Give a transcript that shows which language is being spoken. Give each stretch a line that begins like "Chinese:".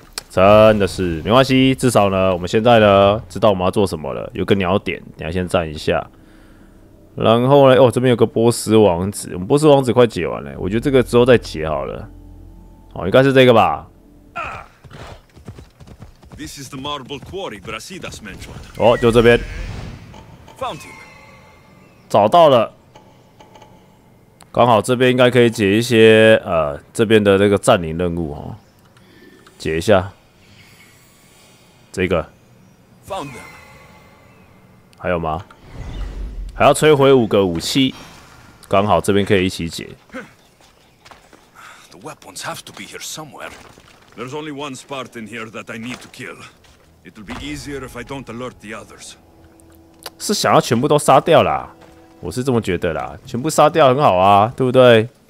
Chinese: 真的是没关系，至少呢，我们现在呢知道我们要做什么了。有个鸟点，你要先站一下。然后呢，哦，这边有个波斯王子，我们波斯王子快解完了，我觉得这个之后再解好了。哦，应该是这个吧。
English: This is the marble quarry Brasidas mentioned.
Chinese: 哦，就这边。
English: Found him.
Chinese: 找到了。刚好这边应该可以解一些这边的这个占领任务哦，解一下。这个，还有吗？还要摧毁五个武器，刚好这边可以一起解。
English: The weapons have to be here somewhere. There's only one Spartan here that I need to kill. It'll be easier if I don't alert the others.
Chinese: 是想要全部都杀掉啦，我是这么觉得啦，全部杀掉很好啊，对不对？